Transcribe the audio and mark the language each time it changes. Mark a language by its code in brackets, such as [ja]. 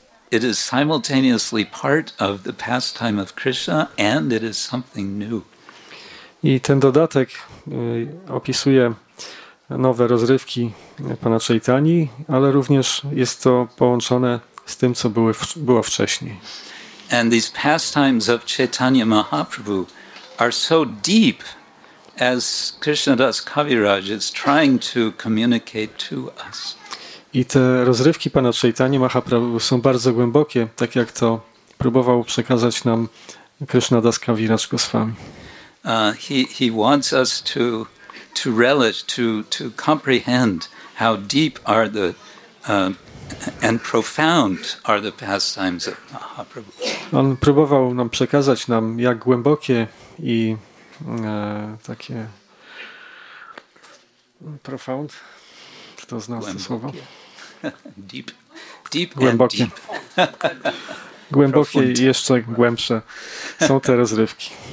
[en] It is simultaneously part of the pastime of Krishna, and it is something new. [pl] I ten dodatek opisuje nowe rozrywki pana Chaitani, ale również jest to połączone z tym, co było wcześniej. [en] And these pastimes of Chaitanya Mahaprabhu are so deep, as Krishnadas Kaviraj is trying to communicate to us. [pl] I te rozrywki pana Chaitanya Mahaprabhu są bardzo głębokie, tak jak to próbował przekazać nam Krishnadas Kaviraj Goswami. [en] He wants us to relish, to comprehend how deep are the and profound are the pastimes of Mahaprabhu. [pl] On próbował nam przekazać nam, jak głębokie i takie profound. Czy to znasz to słowo? [en] Deep. Deep głębokie. And deep. [pl] Głębokie i jeszcze głębsze są te rozrywki.